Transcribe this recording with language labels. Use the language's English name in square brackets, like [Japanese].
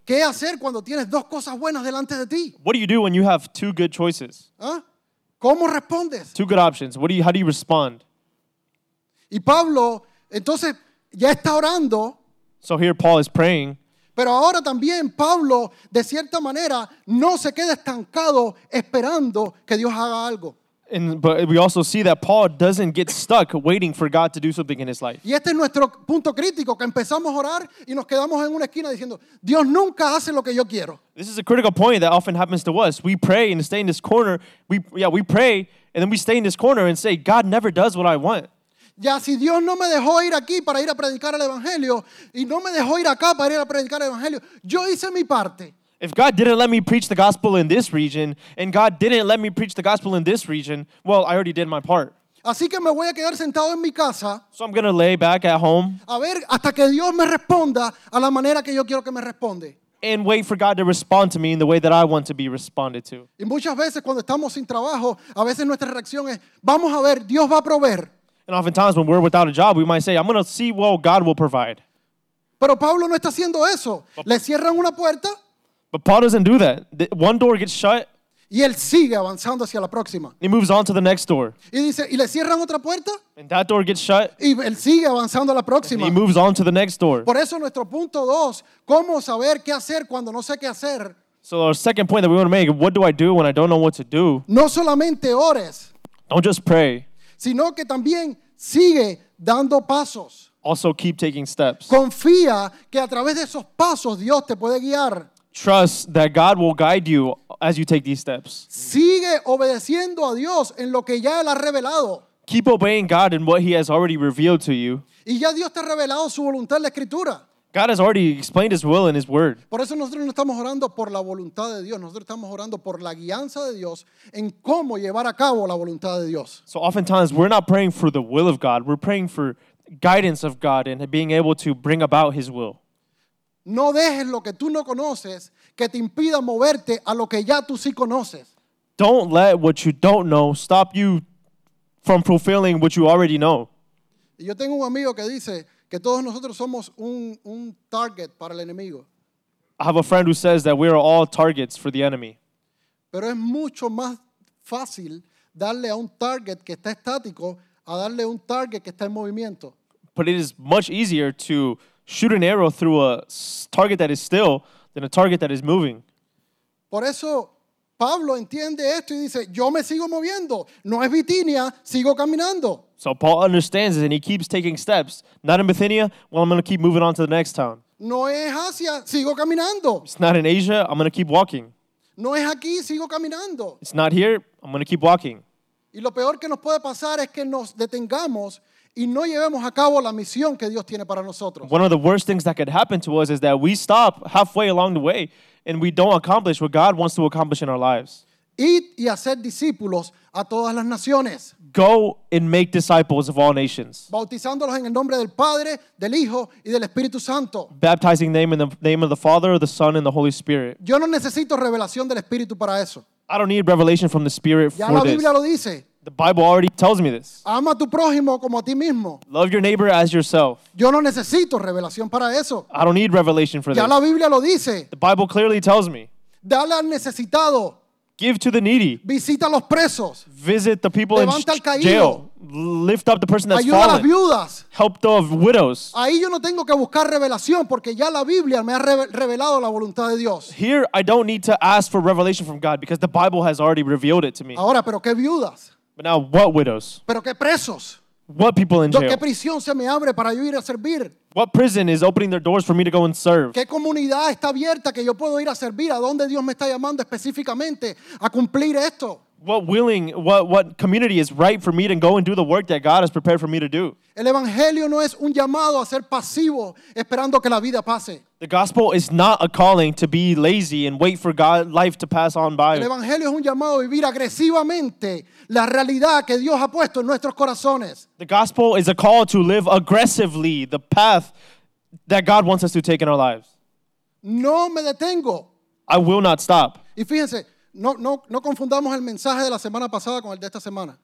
[Spanish] ¿Qué hacer cuando tienes dos cosas buenas delante de ti? [English] What do you do when you have two good choices? [Spanish] ¿Ah? ¿Cómo respondes? [English] Two good options. How do you respond? [Spanish] Y Pablo, entonces, ya está orando. [English] So here Paul is praying. [Spanish] Pero ahora también Pablo, de cierta manera, no se queda estancado esperando que Dios haga algo. [English] But we also see that Paul doesn't get stuck waiting for God to do something in his life. [Spanish] Y este es nuestro punto crítico, que empezamos a orar y nos quedamos en una esquina diciendo, Dios nunca hace lo que yo quiero. [English] This is a critical point that often happens to us. We pray and stay in this corner. We pray and then we stay in this corner and say, God never does what I want. [Spanish] Ya si Dios no me dejó ir aquí para ir a predicar el evangelio y no me dejó ir acá para ir a predicar el evangelio, yo hice mi parte. [English] If God didn't let me preach the gospel in this region, and God didn't let me preach the gospel in this region, well, I already did my part. [Spanish] Así que me voy a quedar sentado en mi casa. [English] So I'm going to lay back at home. [Spanish] A ver hasta que Dios me responda a la manera que yo quiero que me responda. [English] And wait for God to respond to me in the way that I want to be responded to. [Spanish] Y muchas veces cuando estamos sin trabajo, a veces nuestra reacción es, vamos a ver, Dios va a proveer. [English] And oftentimes when we're without a job, we might say, I'm going to see what God will provide. [Spanish] Pero Pablo no está haciendo eso. Le cierran una puerta. [English] But Paul doesn't do that. One door gets shut. [Spanish] Y él sigue avanzando hacia la próxima. [English] He moves on to the next door. [Spanish] Y dice, y le cierran otra puerta. [English] And that door gets shut. [Spanish] Y él sigue avanzando a la próxima. [English] And he moves on to the next door. [Spanish] Por eso nuestro punto dos, cómo saber qué hacer cuando no sé qué hacer. [English] So our second point that we want to make, what do I do when I don't know what to do? [Spanish] No solamente ores. [English] Don't just pray. [Spanish] Sino que también sigue dando pasos. [English] Also keep taking steps. [Spanish] Confía que a través de esos pasos Dios te puede guiar. [English] Trust that God will guide you as you take these steps. [Spanish] Sigue obedeciendo a Dios en lo que ya Él ha revelado. [English] Keep obeying God in what He has already revealed to you. [Spanish] Y ya Dios te ha revelado su voluntad en la Escritura. [English] God has already explained His will in His Word. [Spanish] Por eso nosotros no estamos orando por la voluntad de Dios. Nosotros estamos orando por la guianza de Dios en cómo llevar a cabo la voluntad de Dios. [English] So oftentimes we're not praying for the will of God. We're praying for guidance of God and being able to bring about His will. [Spanish] No dejes lo que tú no conoces que te impida moverte a lo que ya tú sí conoces. [English] Don't let what you don't know stop you from fulfilling what you already know. [Spanish] Y yo tengo un amigo que dice que todos nosotros somos un target para el enemigo. [English] I have a friend who says that we are all targets for the enemy. [Spanish] Pero es mucho más fácil darle a un target que está estático a darle a un target que está en movimiento. [English] But it is much easier to shoot an arrow through a target that is still than a target that is moving. [Spanish] Por eso Pablo entiende esto y dice, yo me sigo moviendo, no es Bitinia, sigo caminando. [English] So Paul understands it and he keeps taking steps. Not in Bithynia, well, I'm going to keep moving on to the next town. [Spanish] No es Asia, sigo caminando. [English] It's not in Asia, I'm going to keep walking. [Spanish] No es aquí, sigo caminando. [English] It's not here, I'm going to keep walking. [Spanish] Y lo peor que nos puede pasar es que nos detengamos y no llevemos a cabo la misión que Dios tiene para nosotros. [English] One of the worst things that could happen to us is that we stop halfway along the way and we don't accomplish what God wants to accomplish in our lives. [Spanish] Id y hacer discípulos a todas las naciones. [English] Go and make disciples of all nations. [Spanish] Bautizándolos en el nombre del Padre, del Hijo y del Espíritu Santo. [English] Baptizing them in the name of the Father, the Son, and the Holy Spirit. [Spanish] Yo no necesito revelación del Espíritu para eso. [English] I don't need revelation from the Spirit [Spanish] ya [English] for [Spanish] la Biblia [English] this. [Spanish] Lo dice. [English] The Bible already tells me this. [Spanish] Ama a tu prójimo como a ti mismo. [English] Love your neighbor as yourself. [Spanish] Yo no necesito revelación para eso. [English] I don't need revelation for [Spanish] ya [English] this. [Spanish] Ya la Biblia lo dice. [English] The Bible clearly tells me. [Spanish] Dale al necesitado. [English] Give to the needy. [Spanish] Visita los presos. [English] Visit the people [Spanish] levanta [English] in jail. Lift up the person that's [Spanish] ayuda [English] fallen. [Spanish] A las viudas. [English] Help the widows. [Spanish] Ahí yo no tengo que buscar revelación porque ya la Biblia me ha revelado la voluntad de Dios. [English] Here I don't need to ask for revelation from God because the Bible has already revealed it to me. [Spanish] Ahora, pero qué viudas. [English] But now, what widows? [Spanish] Pero qué presos. [English] What people in jail? [Spanish] ¿Qué prisión se me abre para yo ir a servir? [English] What prison is opening their doors for me to go and serve? [Spanish] ¿Qué comunidad está abierta que yo puedo ir a servir? ¿A dónde Dios me está llamando específicamente a cumplir esto? [English] What community is right for me to go and do the work that God has prepared for me to do? [Spanish] El evangelio no es un llamado a ser pasivo esperando que la vida pase. [English] The gospel is not a calling to be lazy and wait for God life to pass on by. [Spanish] El evangelio es un llamado a vivir agresivamente la realidad que Dios ha puesto en nuestros corazones. [English] The gospel is a call to live aggressively the path that God wants us to take in our lives. [Spanish] No me detengo. [English] I will not stop. [Spanish] Y fíjense, no confundamos el mensaje de la semana pasada con el de esta semana.